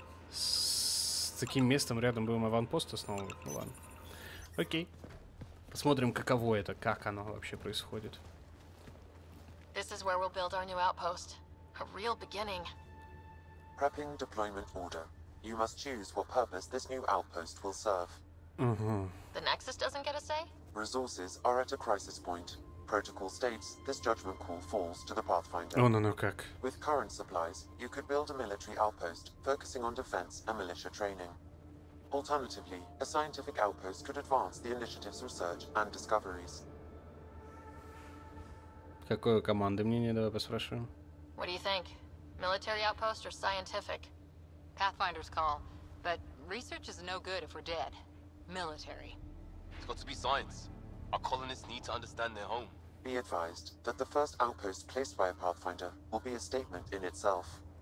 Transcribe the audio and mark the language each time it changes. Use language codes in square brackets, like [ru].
[ru] С таким местом рядом будем аванпост основывать. Ну ладно. Окей. Посмотрим, каково это, как оно вообще происходит. [en] This is where we'll build our new outpost. A real beginning. Prepping deployment order. You must choose what purpose this new outpost will serve. The Nexus doesn't get a say? Resources are at a crisis point. Protocol states this judgment call falls to the Pathfinder. Oh, no, no, [ru] как? [en] With current supplies, you could build a military outpost, focusing on defense and militia training. Alternatively, a scientific outpost could advance the initiative's research and discoveries. [ru] Какое команды мнение, давай поспрашиваем. [en] What do you think? Military outpost or scientific? Pathfinder's call, but research is no good if we're dead. Military. It's got to be science. Our colonists need to understand their home. Be advised that the first outpost placed by a Pathfinder will be a statement in itself.